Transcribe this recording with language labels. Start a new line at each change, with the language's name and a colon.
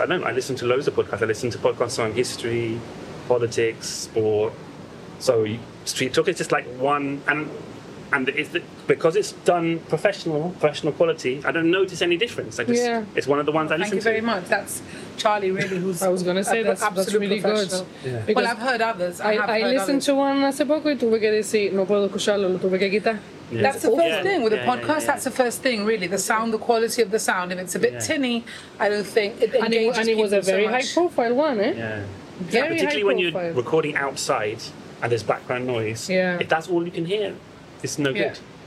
English: I don't. I listen to loads of podcasts. I listen to podcasts on history, politics, sport. So Street Talk is just like one. And because it's done professional quality, I don't notice any difference. It's one of the ones I listen to. Thank you very much. That's Charlie, really, who's I was going to say, that's really good. Yeah. Well, I've heard others. I listened to one
Spanish: hace poco y tuve que decir, no puedo escucharlo, lo tuve que quitar.
English: Yeah. That's the first thing. With a podcast, that's the first thing, really. The sound, the quality of the sound. If it's a bit tinny, I don't think it engages people so much. And it was a very high-profile one, eh? Yeah. Particularly when you're recording outside and there's background noise. Yeah. If that's all you can hear, it's no good.